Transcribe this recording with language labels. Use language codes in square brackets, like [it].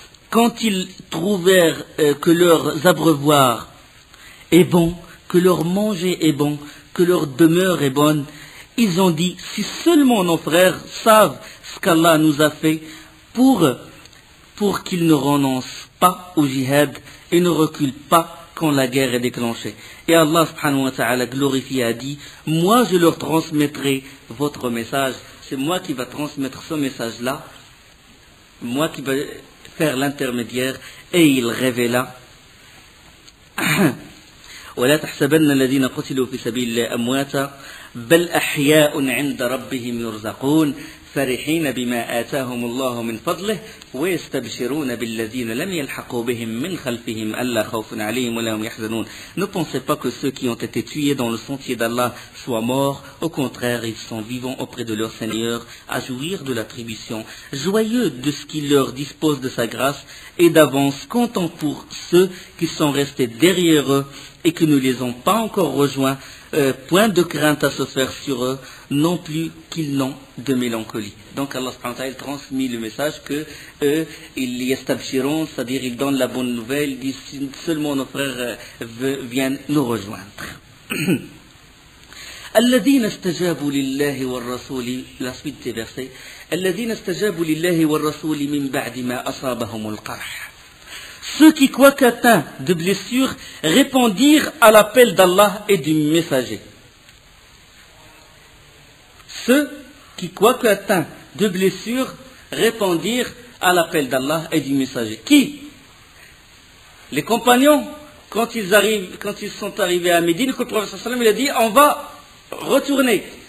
[fr] Quand ils trouvèrent que leurs abreuvoirs est bon, que leur manger est bon, que leur demeure est bonne, ils ont dit, si seulement nos frères savent ce qu'Allah nous a fait pour qu'ils ne renoncent pas au jihad et ne reculent pas quand la guerre est déclenchée. Et Allah subhanahu wa ta'ala glorifié a dit, moi je leur transmettrai votre message, c'est moi qui va transmettre ce message-là, moi qui vais faire l'intermédiaire, et il révéla. [ar] ولا تحسبن الذين قتلوا في سبيل الله أمواتا بل أحياء عند ربهم يرزقون فرحين بما آتاهم الله من فضله ويستبشرون بالذين لم يلحقوا بهم من خلفهم ألا خوف عليهم ولا هم يحزنون [fr] Ne pensez pas que ceux qui ont été tués dans le sentier d'Allah soient morts. Au contraire, ils sont vivants auprès de leur Seigneur à jouir de l'attribution, joyeux de ce qu'il leur dispose de sa grâce et d'avance, content pour ceux qui sont restés derrière eux et qui ne les ont pas encore rejoints, point de crainte à se faire sur eux, non plus qu'ils n'ont de mélancolie. Donc Allah subhanahu wa ta'ala transmet le message que eux, ils y establiront, c'est-à-dire ils donnent la bonne nouvelle, ils disent seulement nos frères viennent nous rejoindre. [ar] الذين استجابوا لله والرسول لا سويت تي فيرسي الذين استجابوا لله والرسول من بعد ما أصابهم القرح [fr] Ceux qui, quoique atteints de blessures, répondirent à l'appel d'Allah et du messager. Ceux qui, quoique atteints de blessures, répondirent à l'appel d'Allah et du messager. Qui ? Les compagnons, quand ils sont arrivés à Médine, que le prophète sallallahu alayhi wa sallam, il a dit, on va retourner.